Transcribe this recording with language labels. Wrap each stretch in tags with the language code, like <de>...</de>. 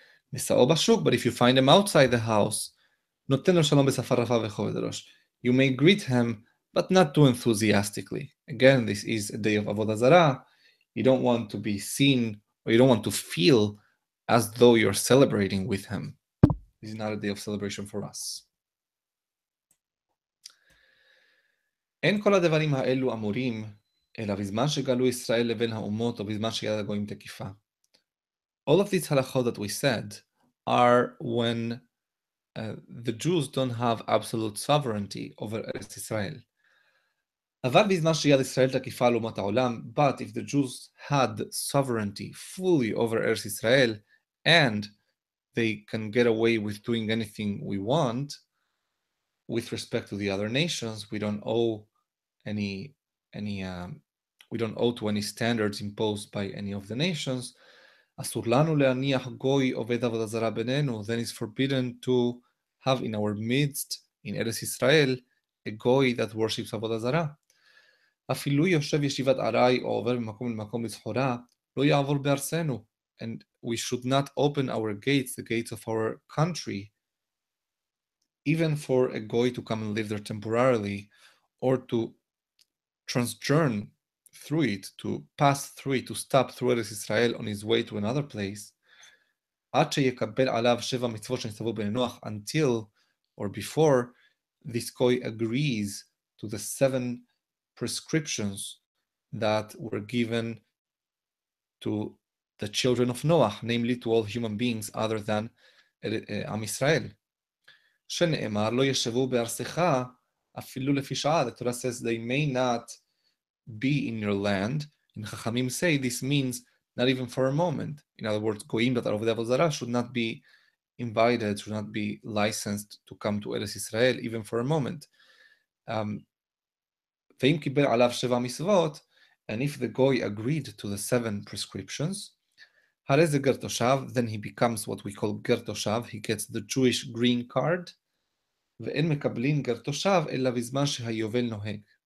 <en>But if you find him outside the house, you may greet him, but not too enthusiastically. Again, this is a day of Avodah Zarah. You don't want to be seen, or you don't want to feel as though you're celebrating with him. This is not a day of celebration for us.</en> <he>אין כל הדברים האלו אמורים, אלא בזמן שגלו ישראל לבין האומות או בזמן שיד הגויים תקיפה.</he> <en>All of these halachot that we said are when the Jews don't have absolute sovereignty over Eretz Israel.</en> <he>אבל בזמן שיד ישראל תקיפה לעומת העולם,</he> <en>but if the Jews had sovereignty fully over Eretz Israel and they can get away with doing anything we want with respect to the other nations, we don't owe we don't owe to any standards imposed by any of the nations.</en> <he>אסור לנו להניח גוי עובד עבודה זרה</he> <en>בינינו, then it's forbidden to have in our midst, in Eretz Israel, a goy that worships עבודה זרה.</en> <he>אפילו יושב ישיבת ארעי או עובר ממקום למקום לסחורה, לא יעבור בארצנו.</he> <en>And we should not open our gates, the gates of our country, even for a goy to come and live there temporarily, or to transjourn through it, to pass through it, to stop through Eretz Israel on his way to another place,</en> <he>עד שיקבל עליו שבע מצוות שנצטוו בנוח,</he> <en>until or before this goy agrees to the seven prescriptions that were given to the children of Noah, namely to all human beings other than Am Israel.</en> <he>שנאמר, לא ישבו בארסך אפילו לפי שעה.</he> <en>The Torah says they may not be in your land. And Chachamim say this means not even for a moment. In other words, goyim that are of the Avodah Zarah should not be invited, should not be licensed to come to Eretz Israel even for a moment.</en> <he>ואם קיבל עליו שבע מצוות,</he> <en>and if the goy agreed to the seven prescriptions,</en> <he>הרי זה גר תושב,</he> <en>then he becomes what we call גר תושב, he gets the Jewish green card,</en> <he>ואין מקבלים גר תושב, אלא בזמן שהיובל נוהג.</he>